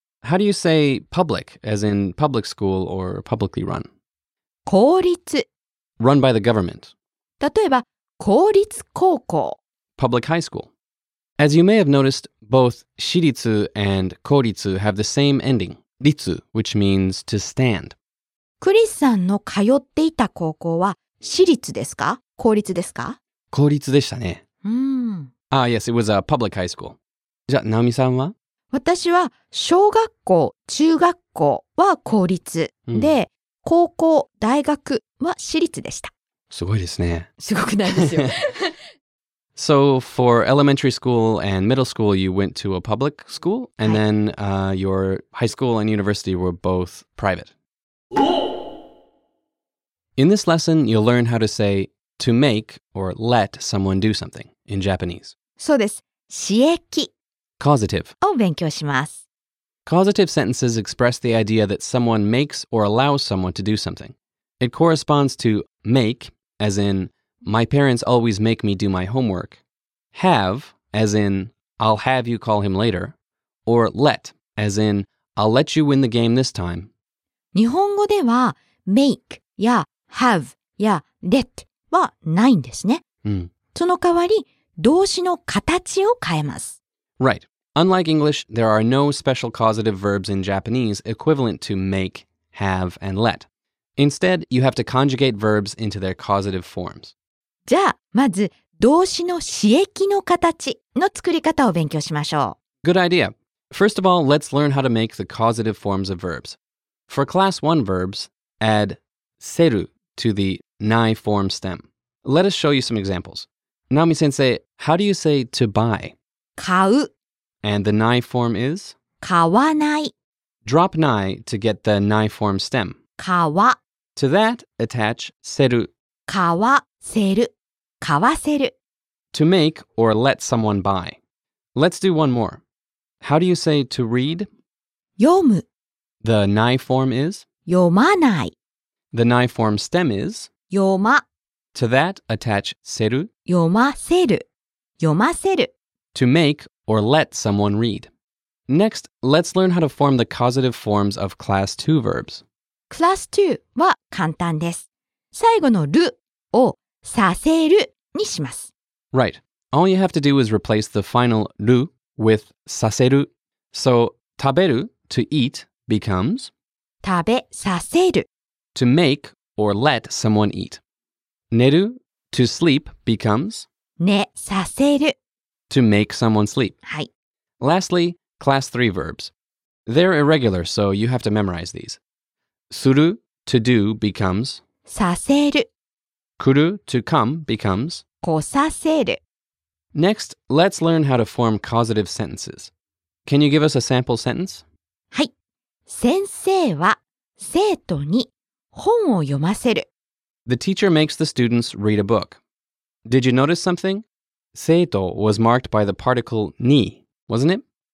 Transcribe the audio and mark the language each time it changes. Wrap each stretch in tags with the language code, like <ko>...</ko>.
<en>How do you say public, as in public school or publicly run?</en> <ja>公立</ja> <en>Run by the government.</en> <ja>例えば、公立高校</ja> <en>Public high school. As you may have noticed, both 私立 and 公立 have the same ending, 立 which means to stand.</en> <ja>クリスさんの通っていた高校は私立ですか公立ですか公立でしたね。 Ah,</ja> <en>yes, it was a public high school.</en> <ja>じゃあ、ナオミさんは私は小学校、中学校は公立で、高校、大学は私立でした。すごいですね。すごくないですよ。</ja> <en>So for elementary school and middle school, you went to a public school, and then、your high school and university were both private. In this lesson, you'll learn how to say to make or let someone do something in Japanese.</en> <ja>そうです。使役。</ja> <en>Causative.</en> <ja>を勉強します。</ja> <en>Causative sentences express the idea that someone makes or allows someone to do something. It corresponds to make, as in, my parents always make me do my homework, have, as in, I'll have you call him later, or let, as in, I'll let you win the game this time.</en> <ja>日本語では make や have や let はないんですね。その代わり、動詞の形を変えます。</ja> <en>Right. Unlike English, there are no special causative verbs in Japanese equivalent to make, have, and let. Instead, you have to conjugate verbs into their causative forms.</en> <ja>じゃあ、まず動詞の使役の形の作り方を勉強しましょう。</ja> <en>Good idea. First of all, let's learn how to make the causative forms of verbs. For class 1 verbs, add seru to the nai form stem. Let us show you some examples. Naomi-sensei, how do you say to buy?</en> <ja>買う。</ja> <en>And the nai form is? 買わない。 Drop nai to get the nai form stem.</en> <ja>買わ。</ja> <en>To that, attach seru.</en> <ja>買わせる。買わせる。</ja> <en>To make or let someone buy. Let's do one more. How do you say to read?</en> <ja>読む。</ja> <en>The nai form is?</en> <ja>読まない。</ja> <en>The nai form stem is?</en> <ja>読ま。</ja> <en>To that, attach seru.</en> <ja>読ませる。読ませる。</ja> <en>To make or let someone read. Next, let's learn how to form the causative forms of class 2 verbs.</en> <ja>Class 2は簡単です。最後のるをさせるにします。</ja> <en>Right. All you have to do is replace the final る with させる. So, 食べる to eat becomes</en> <ja>食べさせる.</ja> <en>To make or let someone eat. 寝る to sleep becomes</en> <ja>寝させる.</ja> <en>To make someone sleep.</en> <ja>はい。</ja> <en>Lastly, class 3 verbs. They're irregular, so you have to memorize these. する, to do, becomes</en> <ja>させる。</ja> <en>くる, to come, becomes</en> <ja>こさせる。</ja> <en>Next, let's learn how to form causative sentences. Can you give us a sample sentence?</en> <ja>はい。先生は生徒に本を読ませる。</ja> <en>The teacher makes the students read a book. Did you notice something? 生徒 was marked by the particle に, wasn't it?</en>